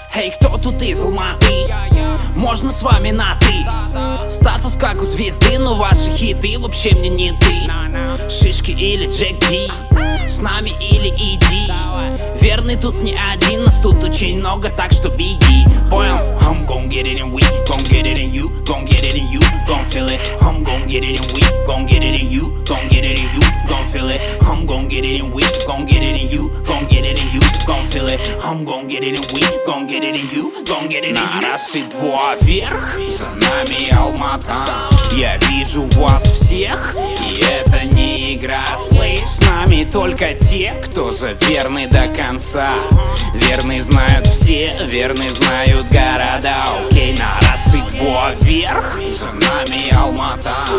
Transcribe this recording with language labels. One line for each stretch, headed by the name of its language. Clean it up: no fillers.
Russian: Hey, кто тут из Алматы? Можно с вами на ты? Статус как у звезды, но ваши хиты вообще мне не ты. Шишки или Джек Ди? С нами или иди? Верный тут не один, нас тут очень много, так что беги. Понял?
English: I'm gon' get it and we gon' get it and you gon' get it and you gon' feel it. I'm gon' get it and we gon' get it and you gon' get it and you gon' feel it. I'm gon' get it and we gon' get it and you gon' get it and you gon' feel it. I'm gon' get it and we gon' get it and you gon' get it and you.
Russian: На раз и два вверх, за нами Алмата. Я вижу вас всех, и это не игра. Слышь, с нами только те, кто за верный до конца. Верный знают все, верный знают города. Окей, на раз и два вверх, за нами Алмата.